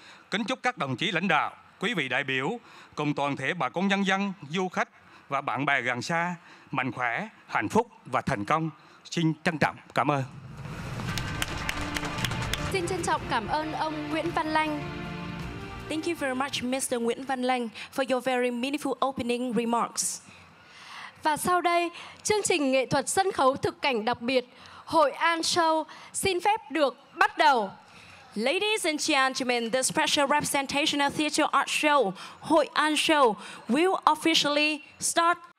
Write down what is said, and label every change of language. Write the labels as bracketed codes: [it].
[vi] Kính chúc các đồng chí lãnh đạo, quý vị đại biểu, cùng toàn thể bà con nhân dân, du khách và bạn bè gần xa, mạnh khỏe, hạnh phúc và thành công. Xin trân trọng cảm ơn. Xin trân trọng cảm ơn ông Nguyễn Văn Lanh. [en] Thank you very much, Mr. Nguyễn Văn Lanh, for your very meaningful opening remarks. [vi] Và sau đây, chương trình nghệ thuật sân khấu thực cảnh đặc biệt Hội An Show xin phép được bắt đầu. [en] Ladies and gentlemen, the special representational theater art show, Hội An Show, will officially start.